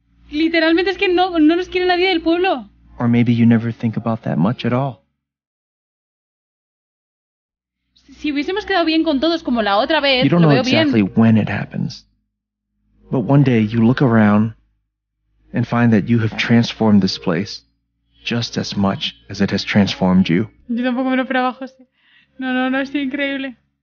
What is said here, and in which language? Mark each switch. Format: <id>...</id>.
<es>Literalmente es que no nos quiere nadie del pueblo.</es> <en>Or maybe you never think about that much at all.</en> <es>Si hubiésemos quedado bien con todos como la otra vez,</es> <en>you don't</en> <es>lo</es> <en>know exactly</en> <es>bien.</es> <en>When it happens, but one day you look around and find that you have transformed this place just as much as it has transformed you.</en> <es>Yo tampoco me lo esperaba, José. No, es increíble.</es>